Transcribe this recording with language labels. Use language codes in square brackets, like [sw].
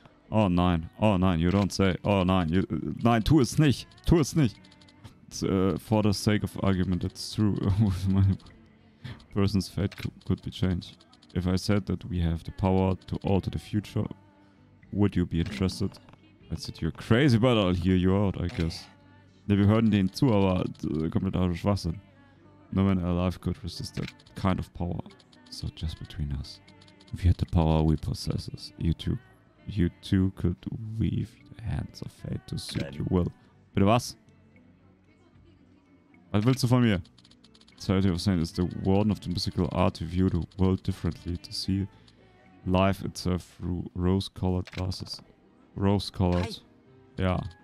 [de] Oh nein, [en] you don't say, [de] oh nein, you, nein, tu es nicht, tu es nicht. [en] For the sake of argument, it's true with my... person's fate could be changed. If I said that we have the power to alter the future, would you be interested? That's it, you're crazy, but I'll hear you out, I guess. [de] Ne, wir hören denen zu, aber komplett aus Schwachsinn. [en] No man alive could resist that kind of power. So just between us. If you had the power we possess, you two could weave the hands of fate to suit your will. [de] Bitte was? Was willst du von mir? [en] Theophil of Saint is the warden of the mystical art to view the world differently, to see life itself through rose-colored glasses. Rose-colored. Hey. Yeah.